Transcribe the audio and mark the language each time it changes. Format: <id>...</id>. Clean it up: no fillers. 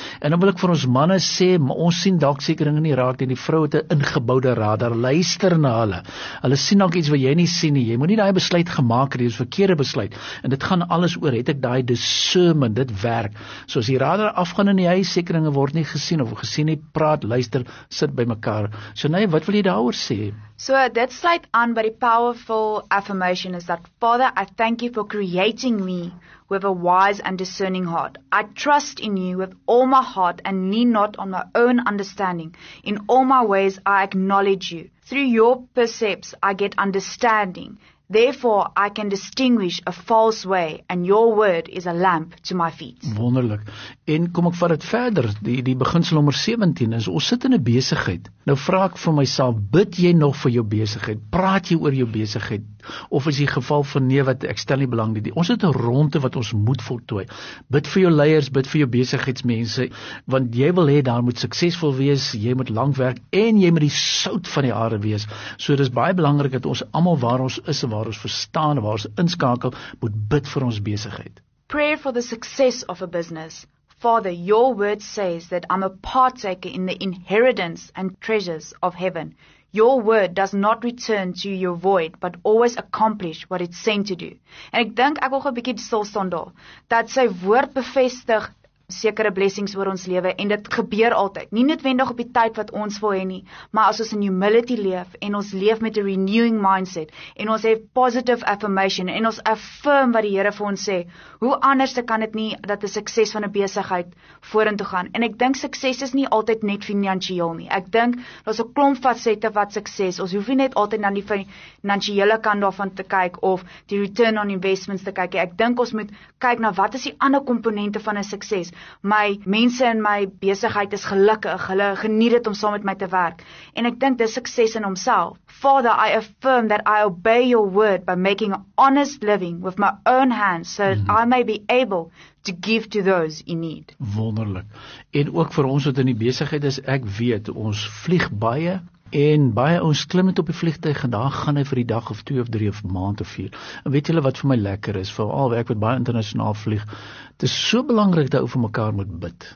<af>En dan wil ek vir ons manne sê, ons sien dalk seker dinge nie raak, en die vrou het 'n ingeboude radar, luister na hulle. Hulle sien dalk iets wat jy nie sien nie, jy moet nie daai besluit gemaak, dit is verkeerde besluit, en dit gaan alles oor, het ek daai discernment, dit werk. So as die radar afgaan in die huis, sekere dinge word nie gesien of gesien nie, praat, luister, sit by mekaar. So nou, wat wil jy daaroor sê? So dit sluit aan by die</af> <en>powerful affirmation is that, Father, I thank you for creating me with a wise and discerning heart. I trust in you with all my heart and lean not on my own understanding. In all my ways I acknowledge you. Through your percepts I get understanding. Therefore, I can distinguish a false way, and your word is a lamp to my feet.</en> <af>Wonderlik. En kom ek vat het verder, die beginsel nummer 17 is, ons sit in 'n besigheid. Nou vraag ek vir myself, bid jy nog vir jou besigheid? Praat jy oor jou besigheid? Of is die geval van nee, wat ek stel nie belang nie. Ons het 'n ronde wat ons moet voltooi. Bid vir jou leiers, bid vir jou besigheidsmense, want jy wil hê daar moet suksesvol wees, jy moet lang werk, en jy moet die sout van die aarde wees. So dis baie belangrik dat ons almal waar ons is, waar ons verstaan, waar ons inskakel, moet bid vir ons besigheid.</af> <en>Prayer for the success of a business. Father, your word says that I'm a partaker in the inheritance and treasures of heaven. Your word does not return to your void, but always accomplish what it's sent to do.</en> <af>En ek dink, ek wil gou 'n bietjie stilstaan daar, dat sy woord bevestig sekere blessings oor ons lewe, en dit gebeur altyd, nie noodwendig op die tyd wat ons wil hê nie, maar as ons in humility leef, en ons leef met 'n</af> <en>renewing mindset,</en> <af>en ons het</af> <en>positive affirmation,</en> <af>en ons affirm wat die Here vir ons sê, hoe anders kan dit nie, dat die sukses van 'n besigheid vorentoe gaan, en ek dink sukses is nie altyd net finansieel nie, ek dink, daar is 'n klomp facette wat sukses, ons hoef nie net altyd na die finansiële kant daarvan te kyk, of die</af> <en>return on investments</en> <af>te kyk, ek dink ons moet kyk na wat is die ander komponente van 'n sukses. My mense in my besigheid is gelukkig, hulle geniet het om saam met my te werk. En ek dink dis sukses in homself.</af> <en>Father, I affirm that I obey your word by making an honest living with my own hands so that I may be able to give to those in need.</en> <af>Wonderlik. En ook vir ons wat in die besigheid is, ek weet, ons vlieg baie, en baie ons klim het op die vliegtuig en daar gaan hy vir die dag of 2 of 3 of maand of 4. En weet julle wat vir my lekker is, veral ek wat baie internasionaal vlieg, het is so belangrik dat hy vir mekaar moet bid.</af>